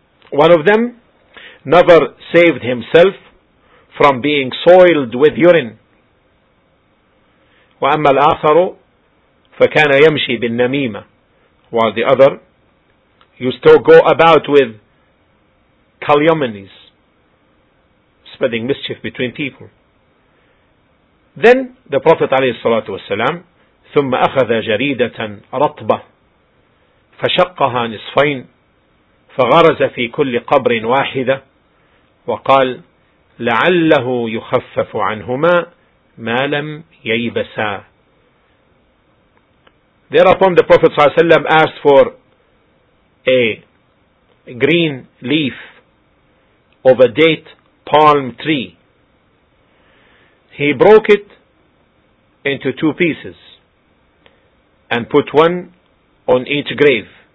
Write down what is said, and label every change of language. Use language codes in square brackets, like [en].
[en] One of them never saved himself from being soiled with urine. [ar] وأما الآخر فكان يمشي بالنميمة, [en] while the other used to go about with calumnies, spreading mischief between people. Then the Prophet [ar] عليه الصلاة والسلام ثم أخذ جريدة رطبة فشقها نصفين فغرز في كل قبر واحدة وقال لعله يخفف عنهما ما لم ييبسا. [en] Thereupon the Prophet ﷺ asked for a green leaf of a date palm tree. He broke it into two pieces and put one on each grave.